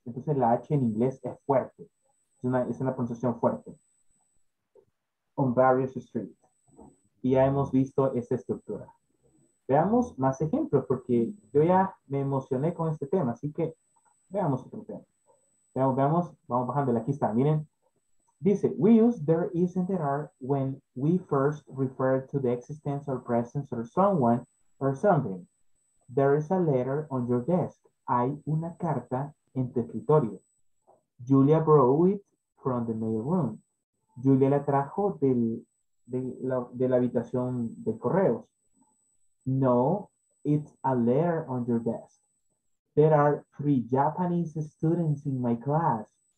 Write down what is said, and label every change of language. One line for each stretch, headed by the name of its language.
Spanish: Entonces la H en inglés es fuerte. Es una pronunciación fuerte.
English: On various streets.
Spanish: y ya hemos visto esta estructura. Veamos más ejemplos, porque yo ya me emocioné con este tema, así que veamos otro tema. Veamos, vamos bajándole, aquí está, miren.
English: Dice, we use there is and there are when we first refer to the existence or presence of someone or something. There is a letter on your desk.
Spanish: Hay una carta en tu escritorio.
English: Julia brought it from the mail room.
Spanish: Julia la trajo de la habitación de correos.
English: No, it's a letter on your desk. There are three Japanese students in my class.